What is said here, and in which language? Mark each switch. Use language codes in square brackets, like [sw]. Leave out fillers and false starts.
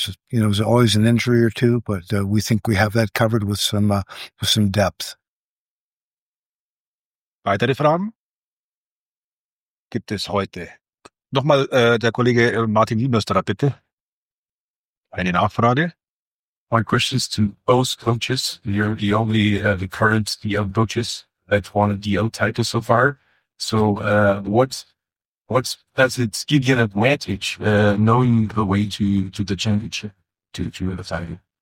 [en] There's always an injury or two, but we think we have that covered with some depth. [de] Weitere Fragen gibt es heute. Nochmal der Kollege Martin Wiemösterer, bitte. Eine Nachfrage. [en] My question is to both coaches. You're the only the current DL coaches that won a DL title so far. So what does it give you an advantage knowing the way to the championship, to the title?